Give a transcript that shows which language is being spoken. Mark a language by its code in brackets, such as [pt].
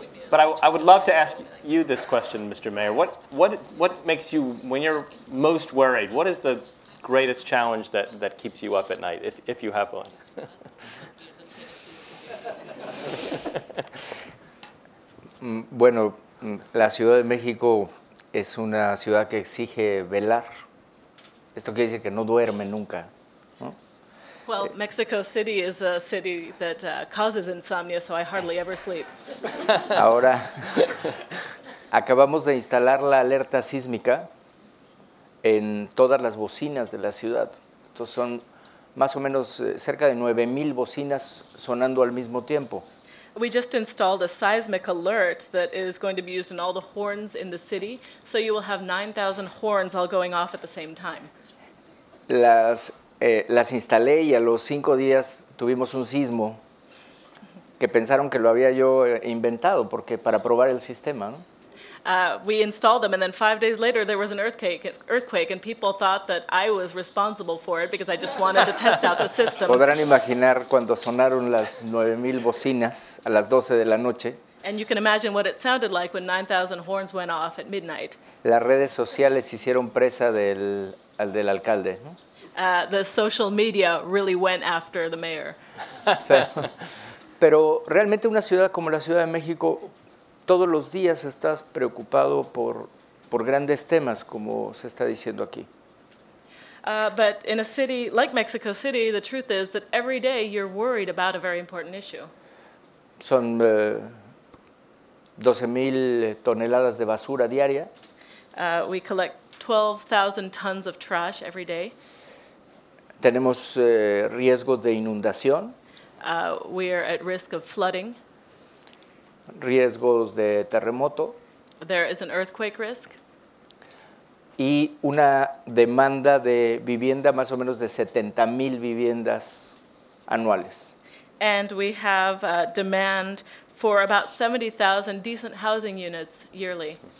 [en] But I would love to ask you this question, Mr. Mayor. What makes you, when you're most worried, what is the greatest challenge that keeps you up at night, if you have one? [es] Bueno, la Ciudad de México es una ciudad que exige velar. Esto quiere decir que no duerme nunca, ¿no? [en] Well, Mexico City is a city that causes insomnia, so I hardly ever sleep. [es] Ahora, acabamos de instalar la alerta sísmica en todas las bocinas de la ciudad. Entonces son más o menos cerca de 9,000 bocinas sonando al mismo tiempo. [en] We just installed a seismic alert that is going to be used in all the horns in the city, so you will have 9,000 horns all going off at the same time. [es] Las instalé y a los 5 días tuvimos un sismo que pensaron que lo había yo inventado porque para probar el sistema, ¿no? [en] We installed them, and then 5 days later, there was an earthquake, and people thought that I was responsible for it because I just wanted to test out the system. [es] Podrán imaginar cuando sonaron las 9,000 bocinas a las 12 de la noche. [en] And you can imagine what it sounded like when 9,000 horns went off at midnight. [es] Las redes sociales hicieron presa del alcalde. [en] The social media really went after the mayor. [es] pero realmente una ciudad como la Ciudad de México todos los días estás preocupado por grandes temas como se está diciendo aquí. [en] But in a city like Mexico City, the truth is that every day you're worried about a very important issue. [es] Son 12,000 toneladas de basura diaria. [en] We collect 12,000 tons of trash every day. [es] Tenemos riesgos de inundación. [en] We are at risk of flooding. [es] Riesgos de terremoto. [en] There is an earthquake risk. [es] Y una demanda de vivienda más o menos de 70,000 viviendas anuales. [en] And we have a demand for about 70,000 decent housing units yearly.